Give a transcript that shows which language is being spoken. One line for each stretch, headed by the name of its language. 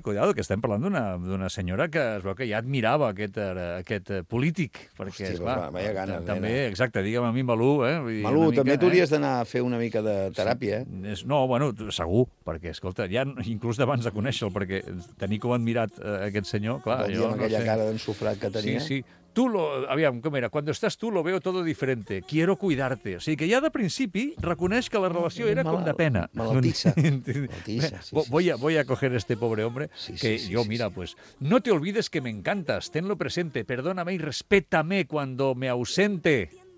Catalan: Cuidado, que estem parlant d'una senyora que es veu que ja admirava aquest polític. Perquè, hòstia, esclar, mai ha ganes. També, exacte, digue'm a mi, Malú. Vull dir, Malú, una mica, també t'hauries d'anar a fer una mica de teràpia. Sí. No, bueno, segur, perquè, escolta, ja inclús d'abans de conèixer-lo, perquè tenir com admirat aquest senyor, clar... Vol dir amb aquella cara d'ensofrat que tenia. Sí, sí.
Spanish: Tú lo,
Catalan: aviam, com era,
Spanish: cuando estás tú lo veo todo diferente, quiero cuidarte.
Catalan: O sigui que ja de principi reconeix que la relació era com de pena. Malaltissa. Malaltissa, sí.
Spanish: Voy a coger este pobre hombre, sí, que sí, yo, sí, mira, sí. Pues, no te olvides que me encantas, tenlo presente, perdóname y respétame cuando me ausente.